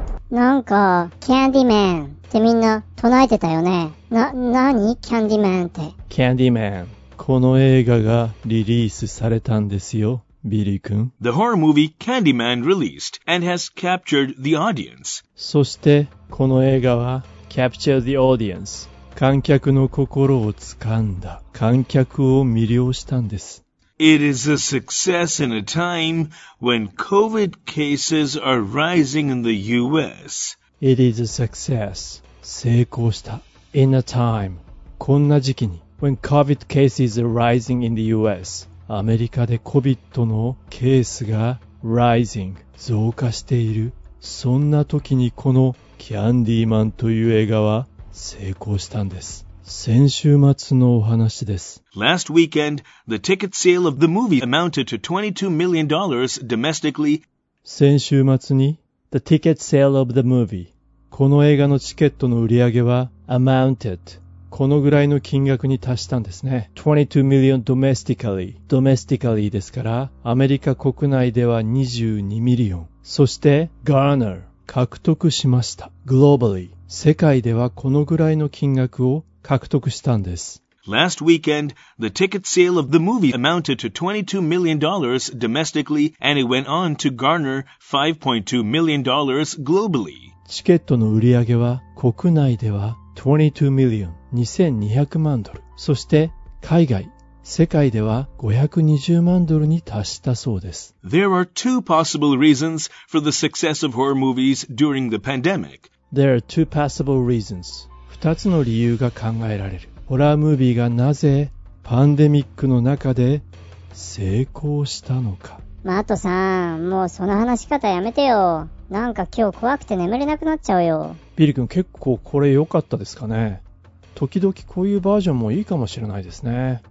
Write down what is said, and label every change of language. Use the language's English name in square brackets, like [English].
[Japanese] なんか、Candyman ってみんな唱えてたよね。何 Candyman って。 Candyman。この映画がリリースされたんですよ、ビリー君。 [English] The horror movie Candyman released and has captured the audience. [Japanese] そして、この映画は [English] captured the audience. [Japanese] 観客の心をつかんだ。観客を魅了したんです。 [English] It is a success in a time when COVID cases are rising in the US. It is a success. [Japanese] 成功した。 [English] In a time. [Japanese] こんな時期に。 [English] When COVID cases are rising in the US. [Japanese] アメリカで COVID のケースが rising。増加している。そんな時にこのキャンディーマンという映画は成功したんです。先週末のお話です。 [English] Last weekend, the ticket sale of the movie amounted to $22 million domestically. [Japanese] 先週末に、 [English] the ticket sale of the movie。 [Japanese] この映画のチケットの売り上げは amounted。このぐらいの金額に達したんですね。 [English] 22 million domestically。 [Japanese] domestically ですから、アメリカ国内では22 million。そして、garner。獲得しました。globally。世界ではこのぐらいの金額を獲得したんです。 [English] Last weekend, the ticket sale of the movie amounted to $22 million domestically and it went on to garner $5.2 million globally. [Japanese] チケットの売り上げは国内では22 million 2200万ドル。そして海外、世界では520万ドルに達したそうです。 [English] There are two possible reasons for the success of horror movies during the pandemic. There are two possible reasons. [Japanese] 二つの理由が考えられる。ホラームービーがなぜパンデミックの中で成功したのか。マトさん、もうその話し方やめてよ。なんか今日怖くて眠れなくなっちゃうよ。ビリ君、結構これ良かったですかね。時々こういうバージョンもいいかもしれないですね。